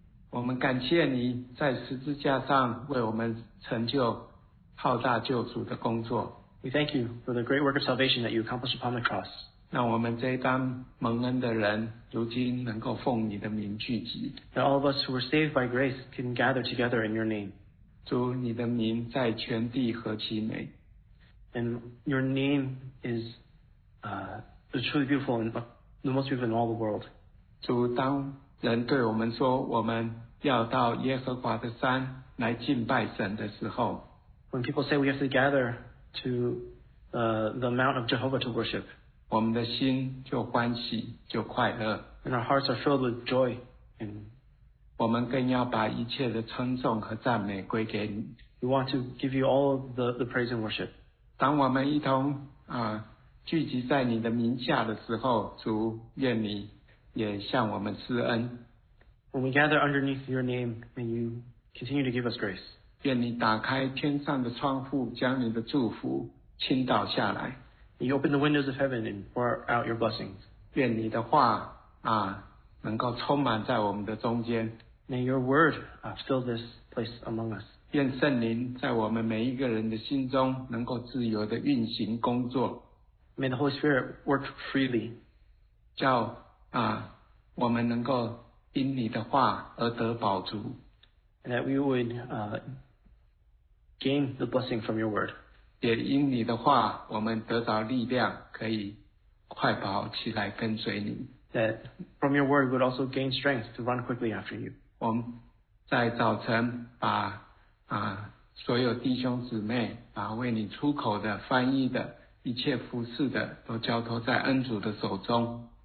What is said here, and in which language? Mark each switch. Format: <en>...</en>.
<zh>我们感谢你在十字架上为我们成就浩大救主的工作。</zh> <en>We thank you for the great work of salvation that you accomplished upon the cross.</en> <zh>让我们这一当蒙恩的人如今能够奉你的名聚集。</zh> <en>That all of us who were saved by grace can gather together in your name.</en> <zh>主，你的名在全地何其美。</zh> <en>And your name is, truly beautiful and the most beautiful in all the world.</en> <zh>主，当人对我们说我们要到耶和华的山来敬拜神的时候。</zh> <en>When people say we have to gather to, the Mount of Jehovah to worship.</en> <zh>我们的心就欢喜，就快乐。</zh> <en>And our hearts are filled with joy.</en> <zh>我们更要把一切的称颂和赞美归给你。</zh> <en>We want to give you all of the praise and worship.</en> <zh>当我们一同聚集在你的名下的时候，主，愿你也向我们施恩。</zh> <en>When we gather underneath your name, may you continue to give us grace.</en> <zh>愿你打开天上的窗户，将你的祝福倾倒下来。</zh> <en>You open the windows of heaven and pour out your blessings.</en> <zh>愿你的话能够充满在我们的中间。</zh> <en>May your word fill this place among us.</en> <zh>愿圣灵在我们每一个人的心中能够自由的运行工作。</zh> <en>May the Holy Spirit work freely.</en> <zh>叫我们能够因你的话而得饱足。</zh> <en>And that we would gain the blessing from your word.</en> <zh>也因你的话，我们得到力量，可以快跑起来跟随你。</zh> <en>That from your word would also gain strength to run quickly after you.</en> <zh>我们在早晨把所有弟兄姊妹，把为你出口的、翻译的、一切服侍的，都交托在恩主的手中。</zh>